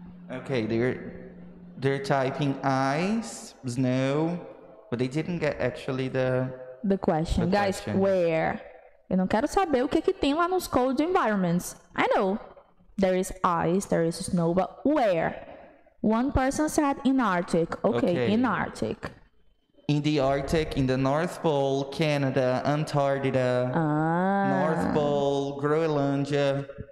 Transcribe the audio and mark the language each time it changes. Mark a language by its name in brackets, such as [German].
[English] Okay, they're typing ice, snow, but they didn't get actually the question. The guys, question. Where? [Portuguese] Eu não quero saber o que que tem lá nos [English] cold environments. I know. There is ice, there is snow, but where? One person said in Arctic. Okay, in Arctic. In the Arctic, in the North Pole, Canada, Antarctica, North Pole, Groenlandia.